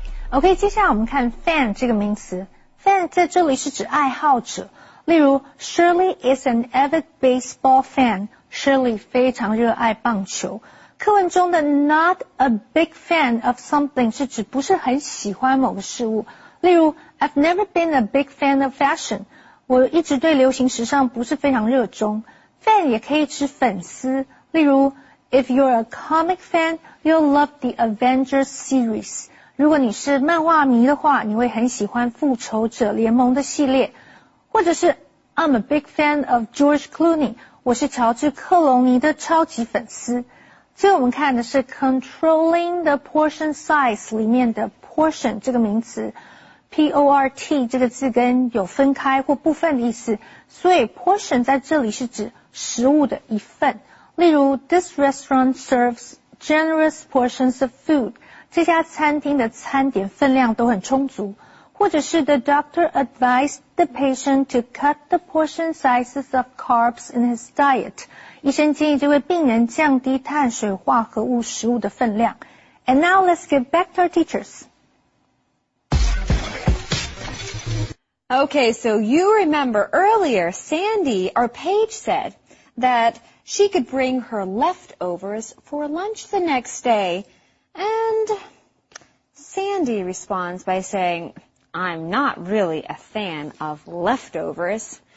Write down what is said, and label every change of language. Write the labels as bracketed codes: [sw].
[zh] OK, 接下来我们看 fan 这个名词。fan 在这里是指爱好者。例如 [en] ,Shirley is an avid baseball fan. [zh] Shirley 非常热爱棒球。课文中的 [en] not a big fan of something [zh] 是指不是很喜欢某个事物。例如 [en] I've never been a big fan of fashion. [zh] 我一直对流行时尚不是非常热衷。 [en] fan [zh] 也可以指粉丝。例如 [en] If you're a comic fan, you'll love the Avengers series. [zh] 如果你是漫画迷的话，你会很喜欢复仇者联盟的系列。 [en] 或者是 I'm a big fan of George Clooney. [zh] 我是乔治·克隆尼的超级粉丝。所以我们看的是 [en] controlling the portion size [zh] 里面的 portion 这个名词 ,port 这个字根有分开或部分的意思，所以 portion 在这里是指食物的一份。例如 , [en] this restaurant serves generous portions of food, [zh] 这家餐厅的餐点分量都很充足。或或者是 the doctor advised the patient to cut the portion sizes of carbs in his diet. 医生建议这位病人降低碳水化合物食物的分量。 [en] And now let's get back to our teachers. Okay, so you remember earlier, Sandy, our page said that she could bring her leftovers for lunch the next day. And Sandy responds by saying, I'm not really a fan of leftovers.